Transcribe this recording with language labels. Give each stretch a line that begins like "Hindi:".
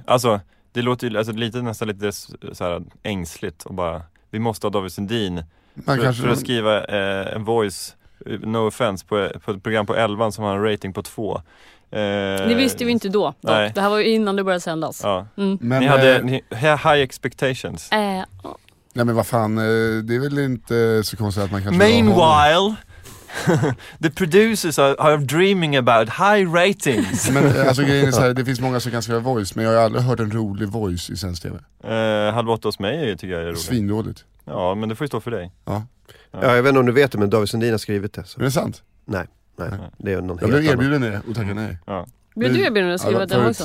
Swedish: Alltså, det låter ju alltså, lite, nästan lite så här ängsligt och bara, vi måste ha David Sundin för att skriva en voice,
English: no offense,
Swedish: på ett program på 11 som har en rating på 2. Ni visste vi inte då. Nej. Det här var ju innan det började sändas. Ja. Mm. Men, ni hade
English: high expectations.
Swedish: Nej, men vad fan, det är väl inte så konstigt att man kanske...
English: Meanwhile, the producers are dreaming about high ratings.
Swedish: Men alltså grejen är så här, det finns många som kan skriva voice, men jag har aldrig hört en rolig voice i svensk TV. Halv åtta hos mig tycker jag är roligt. Svindåligt. Ja, men det får ju stå för dig. Ja. Ja, jag vet inte om du vet det, men David Sundin har skrivit det. Så. Är det sant? Nej, nej. Det är någon jag blev erbjuden annan. Det och tackade nej. Ja. Blev du erbjuden att skriva den också?